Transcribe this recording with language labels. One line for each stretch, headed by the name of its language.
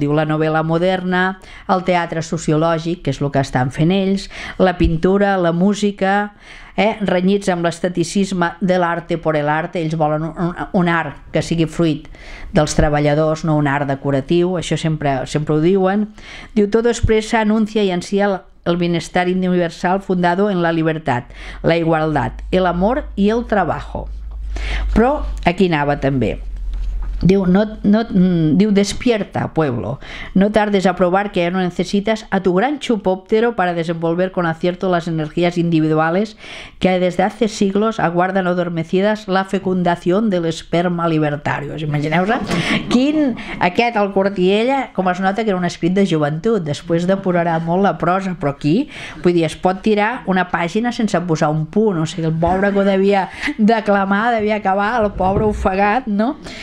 Catalan: Diu la novel·la moderna, el teatre sociològic, que és el que estan fent ells, la pintura, la música, renyits amb l'esteticisme de l'
Spanish: arte por el arte.
Catalan: Ells volen un art que sigui fruit dels treballadors, no un art decoratiu, això sempre ho diuen.
Spanish: Diu, todo expresa, anuncia y ansía el bienestar universal fundado en la libertad, la igualdad, el amor y el trabajo.
Catalan: Però aquí anava també. Diu, diu,
Spanish: despierta, pueblo, no tardes a probar que ya no necesitas a tu gran Chupóptero para desenvolver con acierto las energías individuales que desde hace siglos aguardan adormecidas la fecundación del esperma libertario.
Catalan: Imagineu-vos, aquest, el Cortiella, com es nota que era un escrit de joventut, després depurarà molt la prosa, però aquí, vull dir, es pot tirar una pàgina sense posar un punt, o sigui, el pobre que ho devia declamar, devia acabar, el pobre ofegat, no?